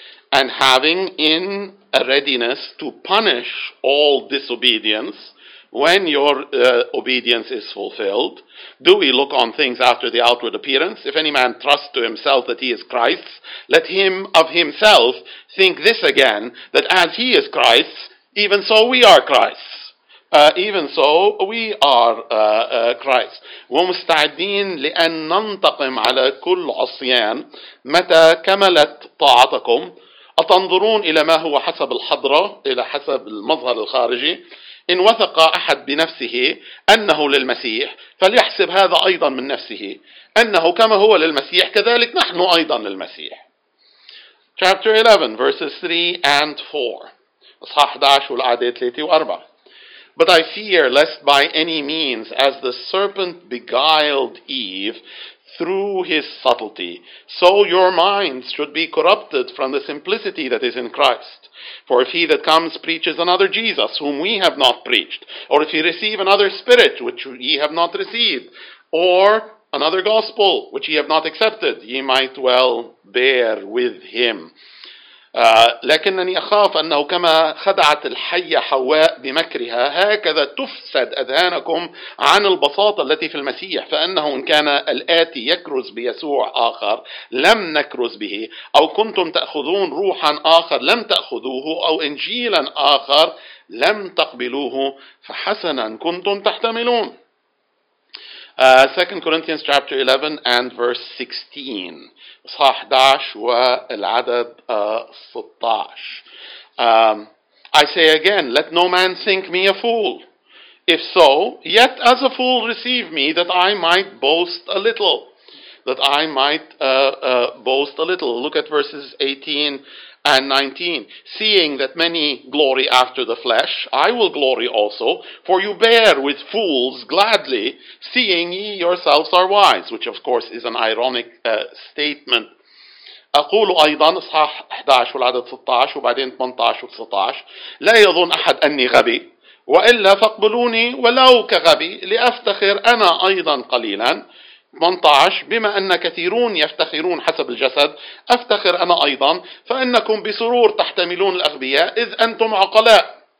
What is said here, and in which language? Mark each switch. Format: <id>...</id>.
<en>And having in a readiness to punish all disobedience when your obedience is fulfilled, do we look on things after the outward appearance? If any man trusts to himself that he is Christ, let him of himself think this again, that as he is Christ, even so we are Christ. Christ.</en> <ar>ومستعدين لأن ننتقم على كل عصيان متى كملت طاعتكم. أتنظرون إلى ما هو حسب الحضرة, إلى حسب المظهر الخارجي؟ إن وثق أحد بنفسه أنه للمسيح فليحسب هذا أيضا من نفسه أنه كما هو للمسيح كذلك نحن أيضا للمسيح.</ar> <en>Chapter 11 verses 3 and 4</en> <ar>إصحاح 11 والآيات 3 و 4.</ar> <en>But I fear lest by any means as the serpent beguiled Eve through his subtlety, so your minds should be corrupted from the simplicity that is in Christ. For if he that comes preaches another Jesus, whom we have not preached, or if he receive another spirit, which ye have not received, or another gospel, which ye have not accepted, ye might well bear with him.</en> <ar>لكنني أخاف أنه كما خدعت الحية حواء بمكرها هكذا تفسد أذهانكم عن البساطة التي في المسيح, فأنه إن كان الآتي يكرز بيسوع آخر لم نكرز به, أو كنتم تأخذون روحا آخر لم تأخذوه, أو إنجيلا آخر لم تقبلوه, فحسنا كنتم تحتملون.</ar> <en>2 Corinthians chapter 11 and verse 16.</en> <ar>صح داش والعدد 16.</ar> <en>I say again, let no man think me a fool. If so, yet as a fool receive me, that I might boast a little. Look at verses 18 and 19. Seeing that many glory after the flesh, I will glory also, for you bear with fools gladly, seeing ye yourselves are wise, which of course is an ironic statement.</en> <ar>أقول أيضا إصحاح 11 والعدد 16 وبعدين 18 و19 لا يظن أحد أني غبي وإلا فاقبلوني ولو كغبي لأفتخر أنا أيضا قليلا. 18 بما أن كثيرون يفتخرون حسب الجسد أفتخر أنا أيضا, فإنكم بسرور تحتملون الأغبياء إذ أنتم عقلاء.</ar>